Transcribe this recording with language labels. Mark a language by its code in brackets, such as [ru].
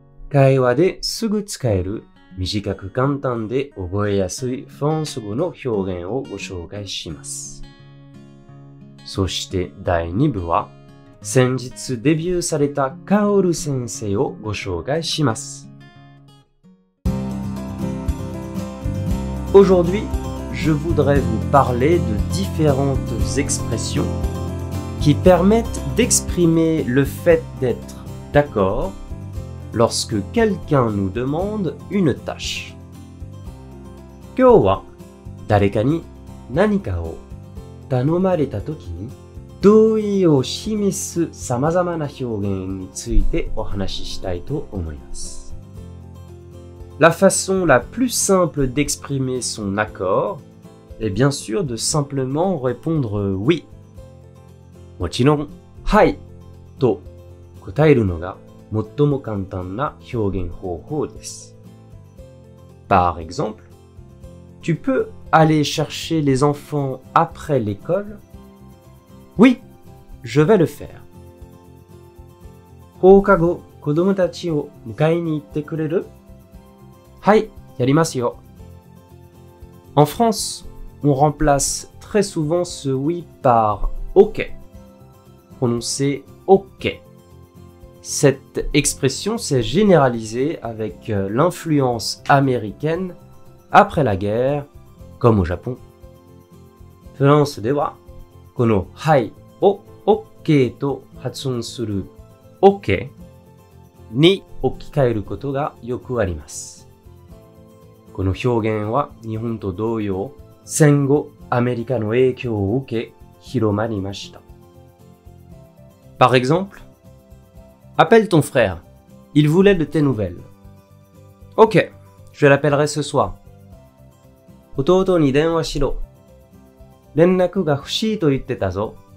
[ja] 会話ですぐ使える短く簡単で覚えやすいフランス語の表現をご紹介します。そして第2部は先日デビューされたカオル先生をご紹介します。 [fr] Aujourd'hui, je voudrais vous parler de différentes expressions qui permettent d'exprimer le fait d'être d'accord lorsque quelqu'un nous demande une tâche. [ja] 今日は誰かに何かを頼まれた時に同意を示す様々な表現についてお話ししたいと思います。 [fr] La façon la plus simple d'exprimer son accord est bien sûr de simplement répondre oui. [ja] もちろん、はいと答えるのが最も簡単な表現方法です。 [fr] Par exemple, tu peux aller chercher les enfants après l'école? Oui, je vais le faire. [ja] 放課後、子供たちを迎えに行ってくれる? はい、やりますよ。 [fr] En France, on remplace très souvent ce oui par OK. Prononcé OK. Cette expression s'est généralisée avec l'influence américaine après la guerre, comme au Japon. [ja] フランスでは、このはいを OK と発音する OK に置き換えることがよくあります。この表現は日本と同様、戦後アメリカの影響を受け広まりました。 [fr] Par exemple, appelle ton frère. Il voulait de tes nouvelles. OK, je l'appellerai ce soir. [ja] 弟に電話しろ。連絡が欲しいと言ってたぞ。